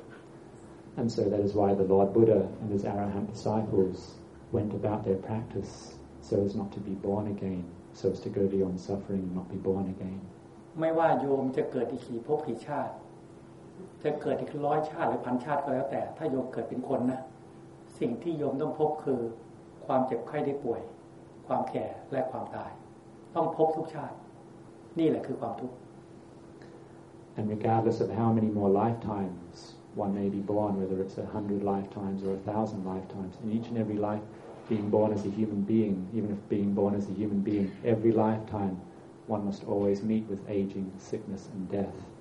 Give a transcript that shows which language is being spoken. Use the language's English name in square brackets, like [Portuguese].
[English] And so that is why the Lord Buddha and his Arahant disciples went about their practice so as not to be born again so as to go beyond suffering and not be born again [Thai] ไม่ว่าโยมจะเกิดอีกกี่ภพกี่ชาติจะเกิดอีกร้อยชาติหรือพันชาติก็แล้วแต่ถ้าโยมเกิดเป็นคนนะสิ่งที่โยมต้องพบคือความเจ็บไข้ได้ป่วยความแก่และความตายต้องพบทุกชาตินี่แหละคือความทุกข์ [English] And regardless of how many more lifetimes one may be born whether it's 100 lifetimes or 1000 lifetimes in each and every life being born as a human being even if being born as a human being every lifetimeone must always meet with aging, sickness, and death.